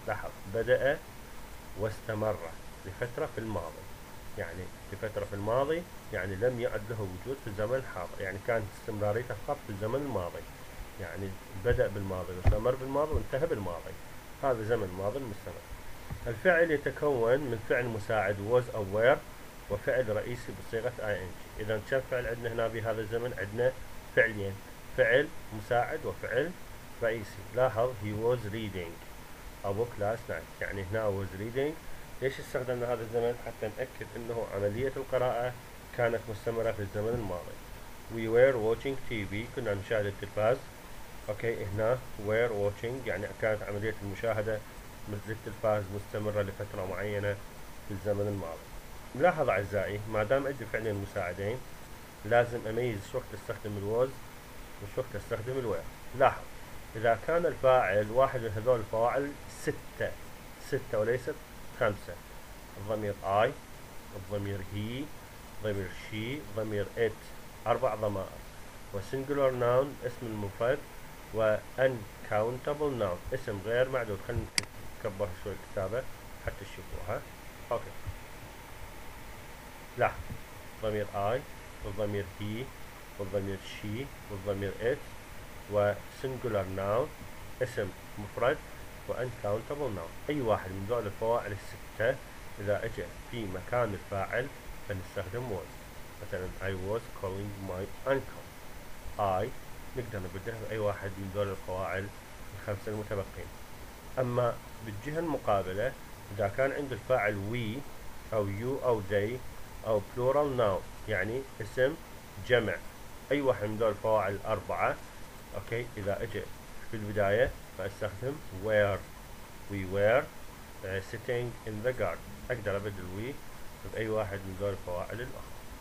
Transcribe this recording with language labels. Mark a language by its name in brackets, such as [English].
[Arabic] لاحظ بدأ واستمر لفترة في الماضي، يعني لفترة في الماضي يعني لم يعد له وجود في الزمن الحاضر، يعني كان استمراريته فقط في الزمن الماضي، يعني بدأ بالماضي واستمر بالماضي وانتهى بالماضي. هذا زمن ماضي مستمر. الفعل يتكون من فعل مساعد was aware وفعل رئيسي بصيغة ing. إذا كم فعل عندنا هنا بهذا الزمن؟ عندنا فعلين، فعل مساعد وفعل رئيسي. لاحظ [English] he was reading a book last night، [Arabic] يعني هنا [English] was reading. [Arabic] ليش استخدمنا هذا الزمن؟ حتى نأكد أنه عملية القراءة كانت مستمرة في الزمن الماضي. [English] We were watching TV، [Arabic] كنا نشاهد التلفاز. أوكي هنا were watching يعني كانت عملية المشاهدة مثل التلفاز مستمرة لفترة معينة في الزمن الماضي. ملاحظ أعزائي، ما دام عندي فعلين مساعدين لازم أميز شوفت استخدم الوز وشوفت استخدم الوير. لاحظ إذا كان الفاعل واحد من هذول الفواعل ستة وليست خمسة، الضمير I، الضمير he، ضمير she، ضمير it، أربع ضمائر، وsingular noun اسم المفرد، وuncountable noun اسم غير معدود. خلينا نكبر شوي الكتابة حتى تشوفوها. أوكي لا، ضمير I، والضمير he، والضمير she، والضمير it، وsingular noun اسم مفرد، وuncountable noun. أي واحد من ذول الفواعل الستة إذا أجى في مكان الفاعل فنستخدم was. مثلا [English] I was calling my uncle. [Arabic] I نقدر نبدلها بأي واحد من ذول القواعد الخمسة المتبقين. أما بالجهة المقابلة إذا كان عند الفاعل we أو you أو they أو plural noun يعني اسم جمع، أي واحد من ذول الفواعل الأربعة، أوكي إذا أجى في البداية فأستخدم where. [English] We were sitting in the garden. [Arabic] أقدر أبدل we بأي واحد من ذول الفواعل الأخرى.